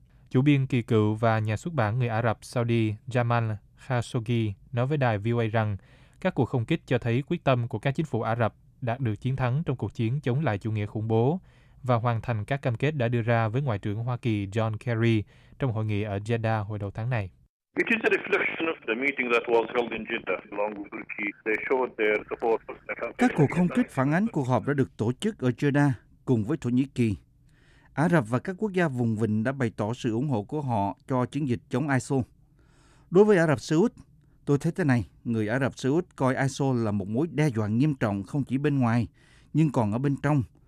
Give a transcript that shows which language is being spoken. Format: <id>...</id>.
<vi>Chủ biên kỳ cựu và nhà xuất bản người Ả Rập Saudi Jamal Khashoggi nói với đài VOA rằng các cuộc không kích cho thấy quyết tâm của các chính phủ Ả Rập đạt được chiến thắng trong cuộc chiến chống lại chủ nghĩa khủng bố và hoàn thành các cam kết đã đưa ra với Ngoại trưởng Hoa Kỳ John Kerry trong hội nghị ở Jeddah hồi đầu tháng này.</vi> <en>It is a reflection of the meeting that was held in Jeddah along with Turkey. They showed their support for the campaign.</en> <vi>Các cuộc không kích phản ánh cuộc họp đã được tổ chức ở Jeddah cùng với Thổ Nhĩ Kỳ. Ả Rập và các quốc gia vùng vịnh đã bày tỏ sự ủng hộ của họ cho chiến dịch chống ISIL. Đối với Ả Rập Xê Út, tôi thấy thế này, người Ả Rập Xê Út coi ISIL là một mối đe dọa nghiêm trọng không chỉ bên ngoài, nhưng còn ở bên trong.</vi>